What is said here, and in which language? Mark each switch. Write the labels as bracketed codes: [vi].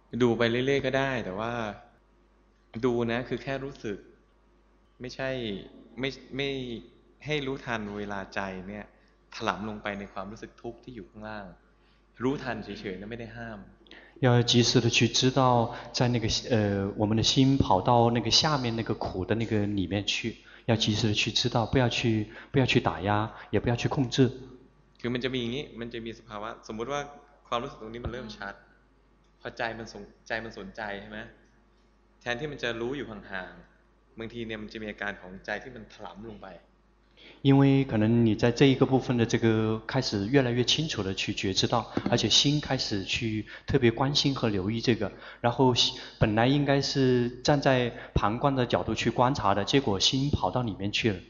[th] ดูไปเรื่อยๆก็ได้แต่ว่าดูนะคือแค่รู้สึกไม่ใช่ไม่ให้รู้ทันเวลาใจเนี่ย ถลำลงไปในความรู้สึกทุกข์ที่อยู่ข้างล่างรู้ทันเฉยๆนะไม่ได้ห้าม [zh] 要及时的去知道在那个我们的心跑到那个下面那个苦的那个里面去要及时的去知道不要去打压也不要去控制 [th] คือมันจะมีอย่างนี้มันจะมีสภาวะสมมติว่าความรู้สึกตรงนี้มันเริ่มชัดพอใจมันสนใจใช่ไหมแทนที่มันจะรู้อยู่ห่างๆบางทีเนี่ยมันจะมีอาการของใจที่มันถลำลงไป [zh] 因为可能你在这一个部分的这个开始越来越清楚的去觉知到而且心开始去特别关心和留意这个然后本来应该是站在旁观的角度去观察的结果心跑到里面去了